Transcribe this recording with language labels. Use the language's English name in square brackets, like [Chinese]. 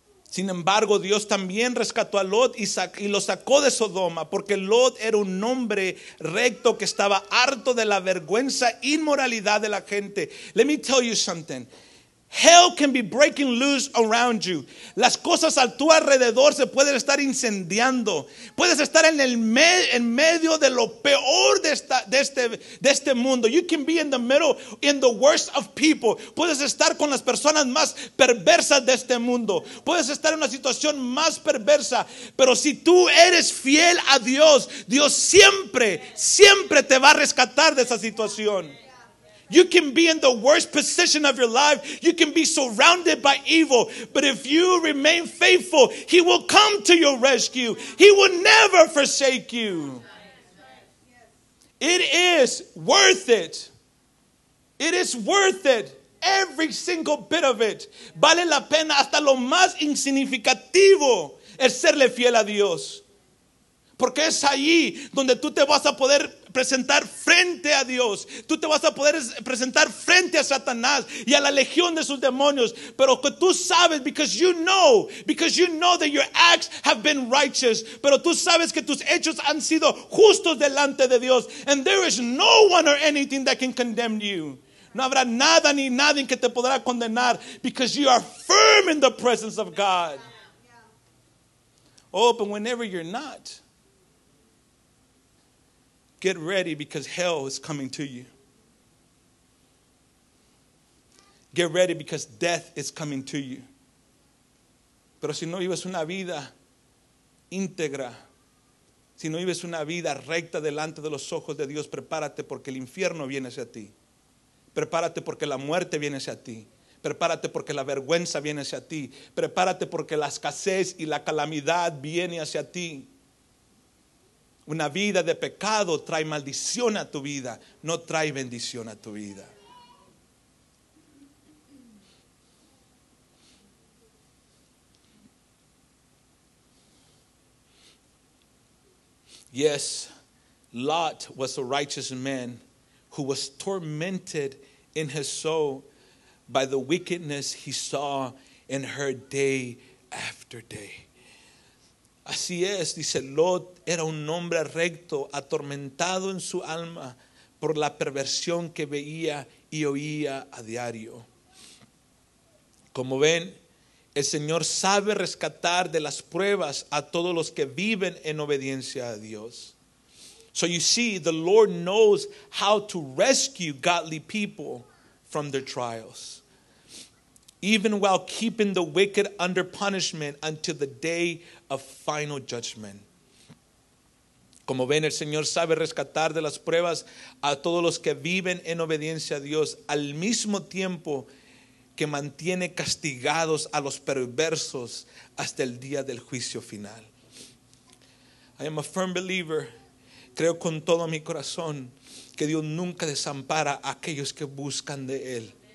[Spanish] Sin embargo, Dios también rescató a Lot y lo sacó de Sodoma, porque Lot era un hombre recto que estaba harto de la vergüenza e inmoralidad de la gente. [English] Let me tell you something. Hell can be breaking loose around you. [Spanish] Las cosas a tu alrededor se pueden estar incendiando. Puedes estar en medio de lo peor de este mundo. [English] You can be in the worst of people. [Spanish] Puedes estar con las personas más perversas de este mundo. Puedes estar en una situación más perversa. Pero si tú eres fiel a Dios, Dios siempre, siempre te va a rescatar de esa situación. [English] You can be in the worst position of your life. You can be surrounded by evil. But if you remain faithful, he will come to your rescue. He will never forsake you. It is worth it. It is worth it. Every single bit of it. [Spanish] Vale la pena hasta lo más insignificativo es serle fiel a Dios. Porque es allí donde tú te vas a poder presentar frente a Dios. Tú te vas a poder presentar frente a Satanás y a la legión de sus demonios. Pero que tú sabes, [English] because you know that your acts have been righteous. [Spanish] Pero tú sabes que tus hechos han sido justos delante de Dios. [English] And there is no one or anything that can condemn you. [Spanish] No habrá nada ni nadie que te podrá condenar, [English] because you are firm in the presence of God. Oh, but whenever you're not, Get ready because hell is coming to you. Get ready because death is coming to you. [Spanish] Pero si no vives una vida íntegra, si no vives una vida recta delante de los ojos de Dios, prepárate porque el infierno viene hacia ti. Prepárate porque la muerte viene hacia ti. Prepárate porque la vergüenza viene hacia ti. Prepárate porque la escasez y la calamidad viene hacia ti. Una vida de pecado trae maldición a tu vida, no trae bendición a tu vida. [English] Yes, Lot was a righteous man who was tormented in his soul by the wickedness he saw and heard day after day. [Spanish] Así es, dice Lot, era un hombre recto, atormentado en su alma por la perversión que veía y oía a diario. Como ven, el Señor sabe rescatar de las pruebas a todos los que viven en obediencia a Dios. [English] So you see, the Lord knows how to rescue godly people from their trials, even while keeping the wicked under punishment until the day of final judgment. [Spanish] Como ven, el Señor sabe rescatar de las pruebas a todos los que viven en obediencia a Dios, al mismo tiempo que mantiene castigados a los perversos hasta el día del juicio final. [English] I am a firm believer, [Spanish] creo con todo mi corazón, que Dios nunca desampara a aquellos que buscan de Él.